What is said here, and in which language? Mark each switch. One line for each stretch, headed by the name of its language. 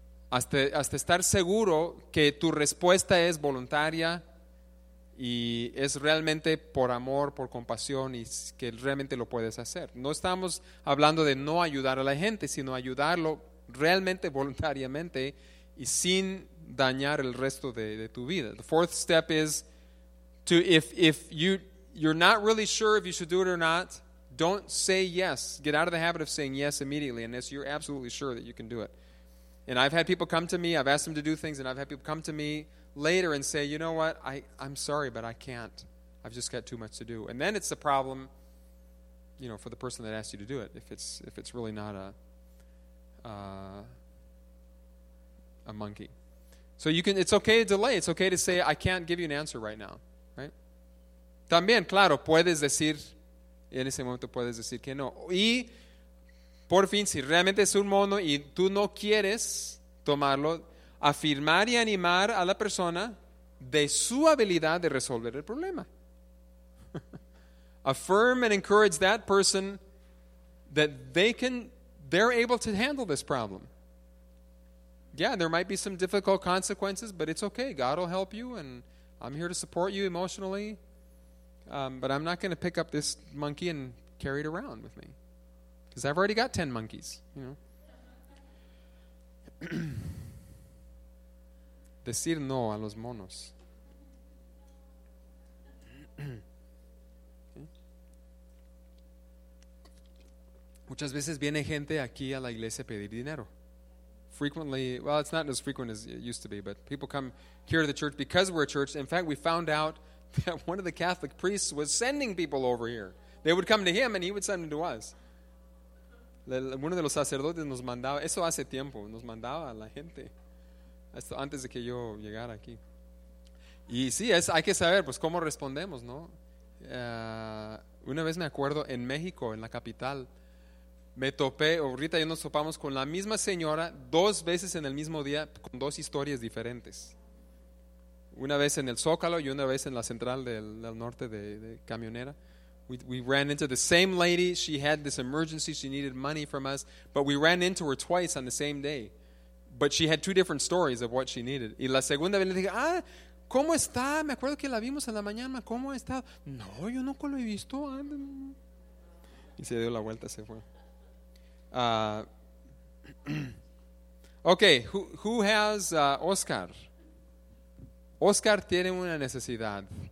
Spanish: Hasta estar seguro que tu respuesta es voluntaria y es realmente por amor, por compasión y que realmente lo puedes hacer. No estamos hablando de no ayudar a la gente, sino ayudarlo realmente voluntariamente y sin dañar el resto de tu vida.
English: The fourth step is to if you're not really sure if you should do it or not, don't say yes. Get out of the habit of saying yes immediately unless you're absolutely sure that you can do it. And I've had people come to me, I've asked them to do things, and I've had people come to me later and say, you know what, I'm sorry, but I can't. I've just got too much to do. And then it's a problem, you know, for the person that asked you to do it, if it's really not a monkey. So you can. It's okay to delay. It's okay to say, I can't give you an answer right now. Right?
Spanish: También, claro, puedes decir, en ese momento puedes decir que no. Y, por fin, si realmente es un mono y tú no quieres tomarlo, afirmar y animar a la persona de su habilidad de resolver el problema.
English: Affirm and encourage that person that they're able to handle this problem. Yeah, there might be some difficult consequences, but it's okay. God will help you, and I'm here to support you emotionally. But I'm not going to pick up this monkey and carry it around with me. Because I've already got 10 monkeys, you know.
Spanish: Decir no a los monos. Muchas veces viene gente aquí a la iglesia a pedir dinero.
English: Frequently, well, it's not as frequent as it used to be, but people come here to the church because we're a church. In fact, we found out that one of the Catholic priests was sending people over here. They would come to him, and he would send them to us.
Spanish: Uno de los sacerdotes nos mandaba, eso hace tiempo, nos mandaba a la gente. Esto antes de que yo llegara aquí. Y sí, hay que saber, pues, cómo respondemos, ¿no? Una vez me acuerdo en México, en la capital, me topé, ahorita y nos topamos con la misma señora dos veces en el mismo día con dos historias diferentes. Una vez en el Zócalo y una vez en la central del norte de camionera.
English: We ran into the same lady. She had this emergency. She needed money from us. But we ran into her twice on the same day. But she had two different stories of what she needed.
Spanish: Y la segunda vez le dije, ah, ¿cómo está? Me acuerdo que la vimos en la mañana. ¿Cómo ha estado? No, yo nunca lo he visto. Y se dio la vuelta, se fue.
English: Okay, who has Oscar?
Spanish: Oscar tiene una necesidad.